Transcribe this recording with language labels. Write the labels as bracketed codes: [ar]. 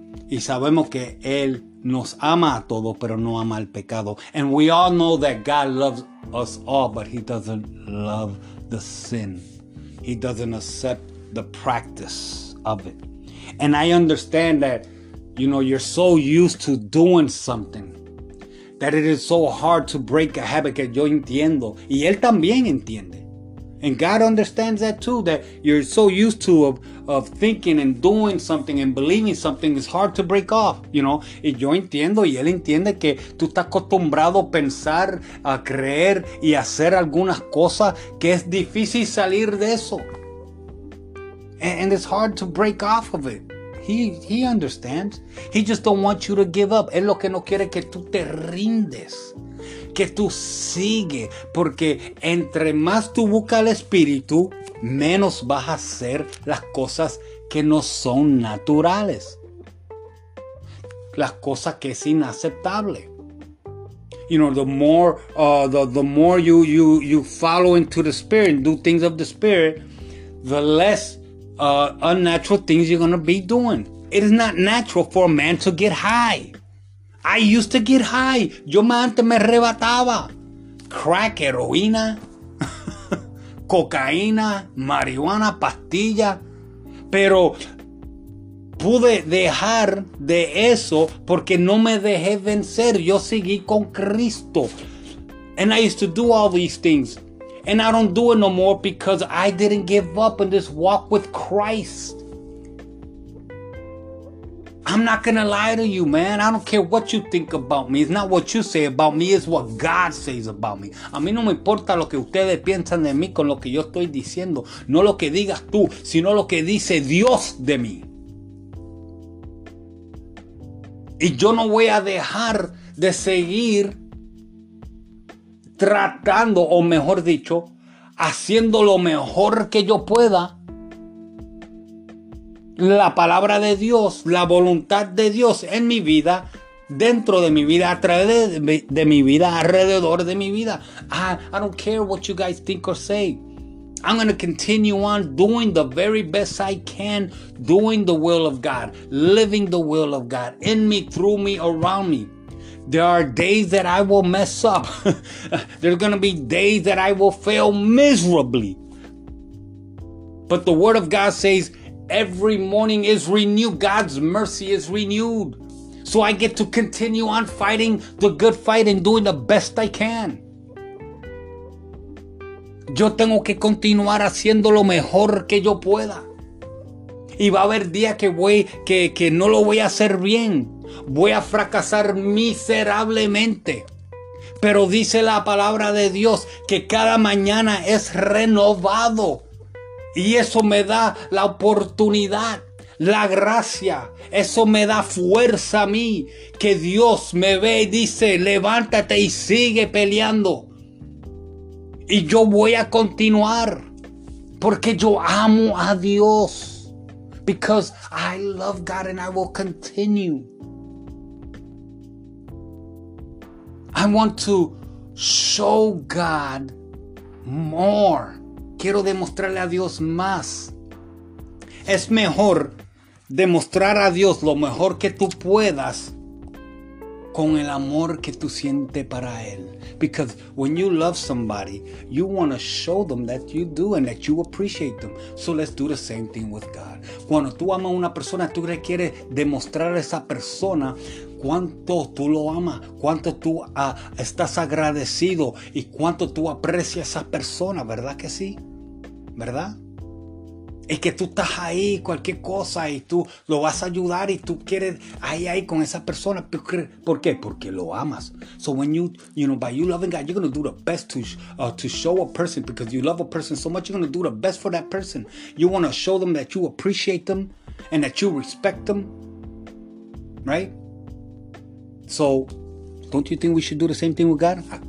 [es] Y sabemos que Él nos ama a todos, pero no ama al pecado. [en] And we all know that God loves us all, but He doesn't love the sin. He doesn't accept the practice of it. And I understand that, you know, you're so used to doing something that it is so hard to break a habit, [es] que yo entiendo. Y Él también entiende. [en] And God understands that too, that you're so used to of thinking and doing something and believing something, it's hard to break off, you know. [es] Y yo entiendo, y Él entiende que tú estás acostumbrado a pensar, a creer y hacer algunas cosas, que es difícil salir de eso. [en] And it's hard to break off of it. He understands. He just don't want you to give up. [es] Él lo que no quiere que tú te rindes. Que tú sigue, porque entre más tú buscas al Espíritu, menos vas a hacer las cosas que no son naturales. Las cosas que es inaceptable. [en] you know, the more you follow into the spirit and do things of the spirit, the less unnatural things you're gonna be doing. It is not natural for a man to get high. I used to get high. [es] Yo antes me arrebataba. Crack, heroína, cocaína, marihuana, pastilla. Pero pude dejar de eso porque no me dejé vencer. Yo seguí con Cristo. [en] And I used to do all these things. And I don't do it no more because I didn't give up in this walk with Christ. I'm not going to lie to you, man. I don't care what you think about me. It's not what you say about me. It's what God says about me. [es] A mí no me importa lo que ustedes piensan de mí con lo que yo estoy diciendo. No lo que digas tú, sino lo que dice Dios de mí. Y yo no voy a dejar de seguir tratando, o mejor dicho, haciendo lo mejor que yo pueda. La palabra de Dios, la voluntad de Dios en mi vida, dentro de mi vida, a través de mi vida, alrededor de mi vida. [en] I don't care what you guys think or say. I'm going to continue on doing the very best I can, doing the will of God, living the will of God in me, through me, around me. There are days that I will mess up. There's going to be days that I will fail miserably. But the word of God says, every morning is renewed. God's mercy is renewed. So I get to continue on fighting the good fight and doing the best I can. [es] Yo tengo que continuar haciendo lo mejor que yo pueda. Y va a haber días que no lo voy a hacer bien. Voy a fracasar miserablemente. Pero dice la palabra de Dios que cada mañana es renovado. Y eso me da la oportunidad, la gracia. Eso me da fuerza a mí. Que Dios me ve y dice, levántate y sigue peleando. Y yo voy a continuar. Porque yo amo a Dios. [en] Because I love God and I will continue. I want to show God more. [es] Quiero demostrarle a Dios más. Es mejor demostrar a Dios lo mejor que tú puedas con el amor que tú sientes para Él. [en] Because when you love somebody, you want to show them that you do and that you appreciate them. So let's do the same thing with God. [es] Cuando tú amas a una persona, tú quieres demostrar a esa persona cuánto tú lo amas, cuánto tú estás agradecido y cuánto tú aprecias a esa persona, ¿verdad que sí? ¿Verdad? Es que tú estás ahí, cualquier cosa, y tú lo vas a ayudar y tú quieres ahí con esa persona. ¿Por qué? Porque lo amas. [en] So when you know, by you loving God, you're going to do the best to show a person, because you love a person so much, you're going to do the best for that person. You want to show them that you appreciate them and that you respect them. Right? So, don't you think we should do the same thing with God?